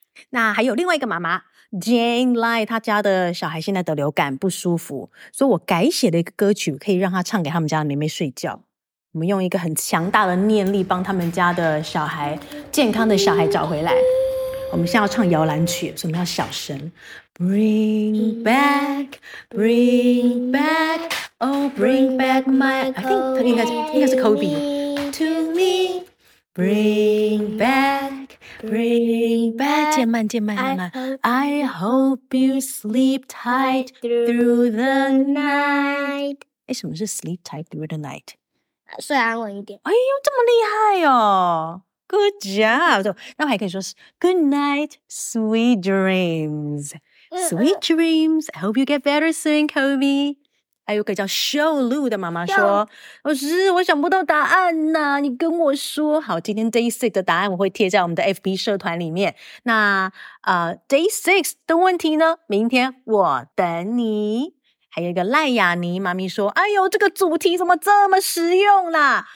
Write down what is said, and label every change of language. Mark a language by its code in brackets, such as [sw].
[zh] 那还有另外一个妈妈 Jane Lai, 她家的小孩现在得流感不舒服，所以我改写了一个歌曲可以让她唱给他们家的妹妹睡觉。我们用一个很强大的念力帮他们家的小孩，健康的小孩找回来。我们现在要唱摇篮曲，所以我们要小声。 [en] Bring back, bring back, oh, bring back my. I think [zh] 应该是 [en] Kobe. To me, bring back, bring back. [zh] 渐慢。 [en] I hope you sleep tight through the night. [zh] 哎，什么是 [en] sleep tight through the night？ [zh] 睡安稳一点。哎呦，这么厉害哦！ [en] Good job. [zh] So, 那我还可以说是 [en] Good night, sweet dreams. Sweet dreams. I hope you get better soon, Kobe. [zh] 还有个叫秀露的妈妈说，老师，我想不到答案呢、啊，你跟我说。好，今天 Day 6的答案我会贴在我们的 FB 社团里面。那Day 6的问题呢，明天我等你。还有一个赖雅尼妈咪说，哎呦，这个主题怎么这么实用啦？